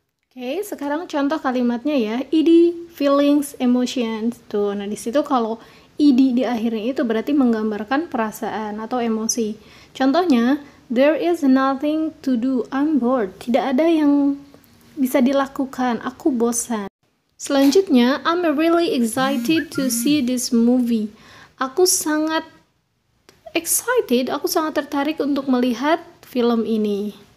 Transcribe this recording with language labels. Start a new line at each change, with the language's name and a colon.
Indonesian: Okay, sekarang contoh kalimatnya ya. ED,
English: feelings, emotions.
Indonesian: Tuh, nah di situ kalau ED di akhirnya itu berarti menggambarkan perasaan atau emosi. Contohnya,
English: there is nothing to do. I'm bored.
Indonesian: Tidak ada yang bisa dilakukan. Aku bosan. Selanjutnya,
English: I'm really excited to see this movie.
Indonesian: Aku sangat tertarik untuk melihat film ini.